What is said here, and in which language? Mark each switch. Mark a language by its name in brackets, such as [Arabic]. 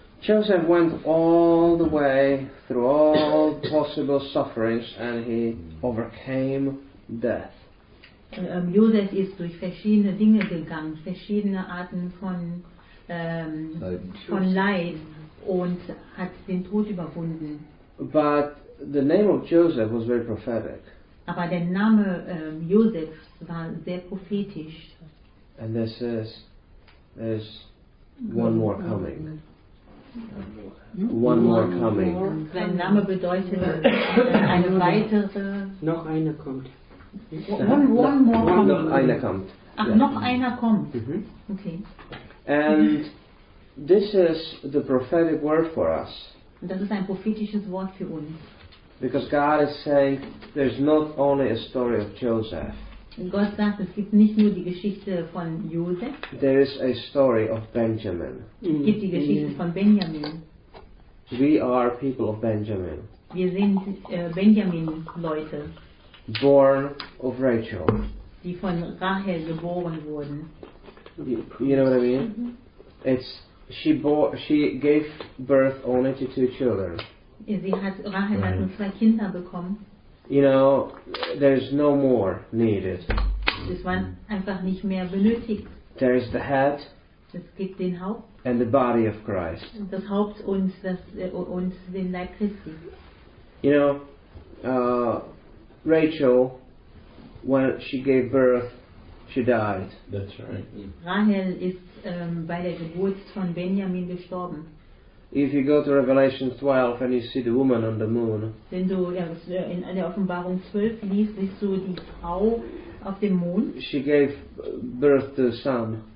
[English] Joseph went all the way through all possible sufferings and he overcame death. [German] Josef ist durch verschiedene Dinge gegangen, verschiedene Arten von Leid und hat den Tod überwunden. [English] But the name of Joseph was very prophetic. [German] Aber der Name Josef war sehr prophetisch. [English] And this is, there's one more coming. One more coming. [German] Sein Name bedeutet eine weitere. Noch einer kommt. Noch einer kommt. Noch einer kommt. Okay. [English] And this is the prophetic word for us. [German] Das ist ein prophetisches Wort für uns. [English] Because God is saying there's not only a story of Joseph. [German] Gott sagt, es gibt nicht nur die Geschichte von Josef. [English] There is a story of Benjamin. [German] Es gibt die Geschichte von Benjamin. [English] We are people of Benjamin. [German] Wir sind Benjamin-Leute. [English] Born of Rachel. [German] Die von Rachel geboren wurden. [English] You know what I mean? Mm-hmm. It's she gave birth only to two children. [German] Rachel hat nur zwei Kinder bekommen. [English] You know, there's no more needed. [German] Es war einfach nicht mehr benötigt. [English] There is the head. [German] Es gibt den Haupt. [English] And the body of Christ. [German] Das Haupt und den Leib Christi. [English] You know, Rachel, when she gave birth, she died. That's right. [German] Rahel ist bei der Geburt von Benjamin gestorben. [English] If you go to Revelation 12 and you see the woman on the moon, [German] wenn du in der Offenbarung 12 liest, siehst du die Frau auf dem Mond. [English] She gave birth to a son.